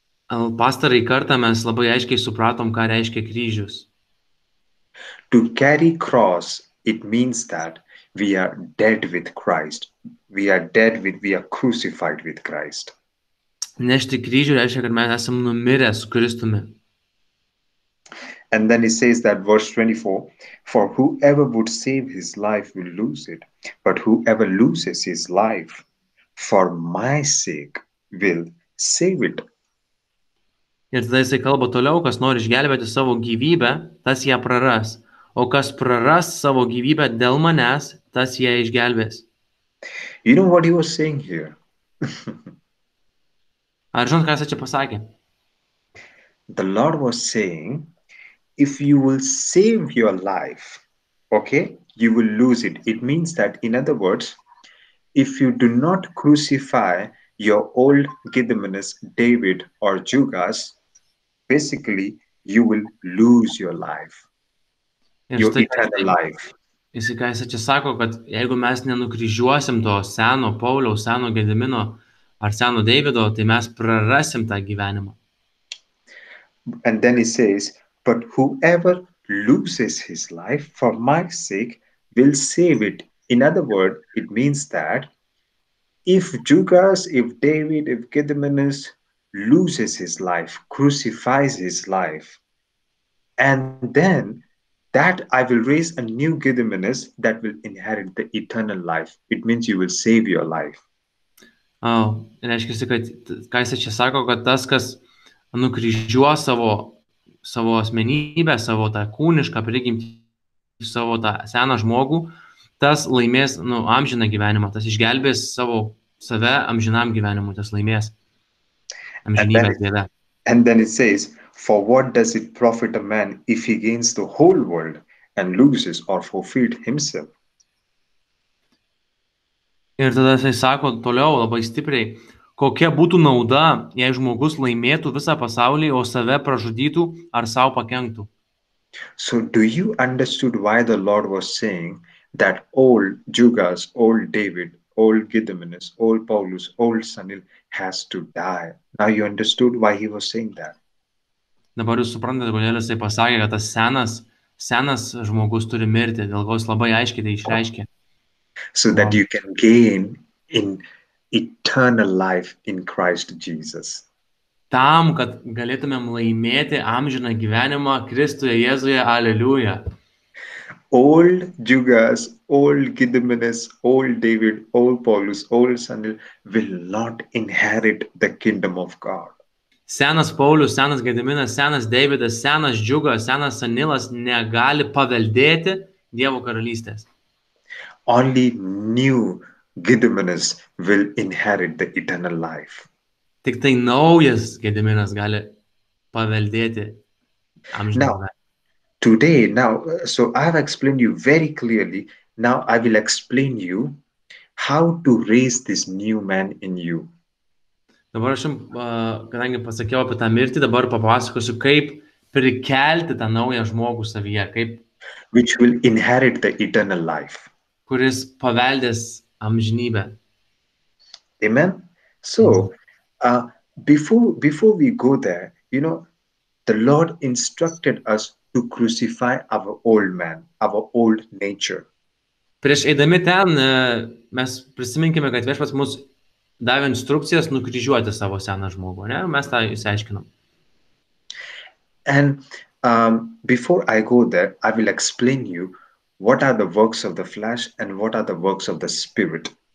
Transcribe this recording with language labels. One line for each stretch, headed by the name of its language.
Lithuanian: Pastarai kartą mes labai aiškiai supratom, ką reiškia kryžius.
English: To carry cross, it means that we are dead with Christ. We are crucified with Christ.
Lithuanian: Nešti kryžių reiškia, kad mes esam numirę su Kristumi.
English: And then he says that verse 24, for whoever would save his life will lose it, but whoever loses his life for my sake will save it.
Lithuanian: Ir tada jisai kalba toliau, kas nori išgelbėti savo gyvybę, tas ją praras. O kas praras savo gyvybę dėl manęs, tas ją išgelbės.
English: You know what he was saying here?
Lithuanian: Ar žinot, ką jis čia pasakė?
English: The Lord was saying, if you will save your life, okay, you will lose it. It means that, in other words, if you do not crucify your old Gediminus, David or Judas, basically, you will lose your life.
Lithuanian: Ir štai, jis čia sako, kad jeigu mes nenukryžiuosim to seno Pauliaus, seno Gedimino ar seno Davido, tai mes prarasim tą gyvenimą.
English: And then he says, but whoever loses his life for my sake will save it. In other words, it means that if Judas, if David, if Gediminus loses his life, crucifies his life, and then that I will raise a new Gediminus that will inherit the eternal life. It means you will save your life.
Lithuanian: Oh, reiškia, kad ką jis čia sako, kad tas, kas nukryžiuos savo asmenybę, savo tą kūnišką prigimtį, savo tą seną žmogų, tas laimės amžiną gyvenimą, tas išgelbės save amžinam gyvenimui, tas laimės amžinybės Dieve.
English: And then it says, for what does it profit a man if he gains the whole world and loses or forfeit himself?
Lithuanian: Ir tada jis sako toliau labai stipriai, Kokia būtų nauda, jei žmogus laimėtų visą pasaulį, o save pražudytų ar savo pakenktų?
English: So do you understood why the Lord was saying that old Jugas, old David, old Gediminas, old Paulus, old Sanil has to die? Now you understood why he was saying that.
Lithuanian: Dabar jūs suprantate, kodėl jisai pasakė, kad tas senas žmogus turi mirti, dėl ko jis labai aiškiai tai išreiškė.
English: So that you can gain in eternal life in Christ Jesus.
Lithuanian: Tam, kad galėtumėm laimėti amžiną gyvenimą Kristuje Jėzuje, aleliuja.
English: Old Jugas, old Gediminas, old David, old Paulus, old Sanil will not inherit the kingdom of God.
Lithuanian: Senas Paulius, senas Gediminas, senas Davidas, senas Džiugas, senas Sanilas negali paveldėti Dievo karalystės.
English: Only new Gediminas will inherit the eternal life.
Lithuanian: Tik tai naujas Gediminas gali paveldėti amžiną gyvenimą.
English: Today, now, so I've explained you very clearly. Now I will explain you how to raise this new man in you.
Lithuanian: Dabar aš jums, kadangi pasakiau apie tą mirtį, dabar papasakosiu, kaip prikelti tą naują žmogų savyje, kaip...
English: Which will inherit the eternal life.
Lithuanian: Kuris paveldės amžinybę.
English: Amen? So, before we go there, you know, the Lord instructed us to crucify our old man, our old nature.
Lithuanian: Prieš eidami ten, mes prisiminkime, kad Viešpats mus davė instrukcijas nukryžiuoti savo seną žmogų, ne? Mes tą išsiaiškinom.
English: And before I go there, I will explain you what are the works of the flesh and what are the works of the spirit.